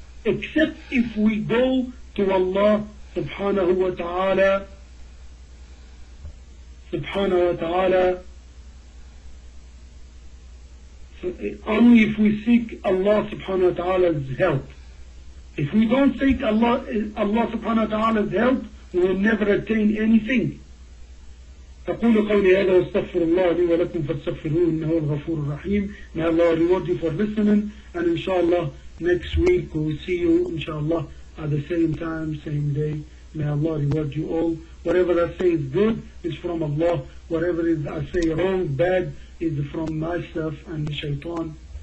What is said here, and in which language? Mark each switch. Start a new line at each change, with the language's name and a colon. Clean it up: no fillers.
English: Except if we go to Allah subhanahu wa ta'ala, subhanahu wa ta'ala, only if we seek Allah subhanahu wa ta'ala's help. If we don't seek Allah subhanahu wa ta'ala's help, we will never attain anything.
Arabic: أقول قولي هذا واستغفر الله لي ولكم فاستغفروه إنه هو الغفور الرحيم.
English: May Allah reward you for listening, and inshallah next week we'll see you inshallah at the same time, same day. May Allah reward you all. Whatever I say is good is from Allah. Whatever is I say wrong, bad, is from myself and the shaitan.